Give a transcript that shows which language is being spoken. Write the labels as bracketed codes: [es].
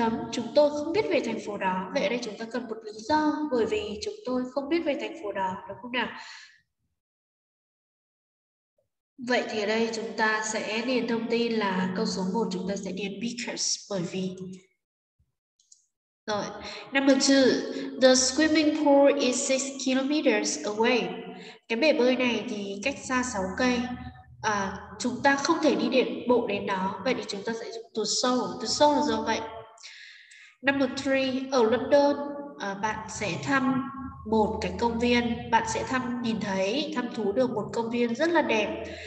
[vi] Chúng tôi không biết về thành phố đó. Vậy ở đây chúng ta cần một lý do, bởi vì chúng tôi không biết về thành phố đó, đúng không nào? Vậy thì ở đây chúng ta sẽ điền thông tin là câu số 1 chúng ta sẽ điền because, bởi vì. [en] Rồi, number 2, the swimming pool is 6 km away. [vi] Cái bể bơi này thì cách xa 6 cây. Chúng ta không thể đi điện bộ đến đó, vậy thì chúng ta sẽ dùng từ sâu. Từ sâu là do vậy. Number 3, ở London, bạn sẽ thăm một cái công viên, bạn sẽ thăm thú được một công viên rất là đẹp.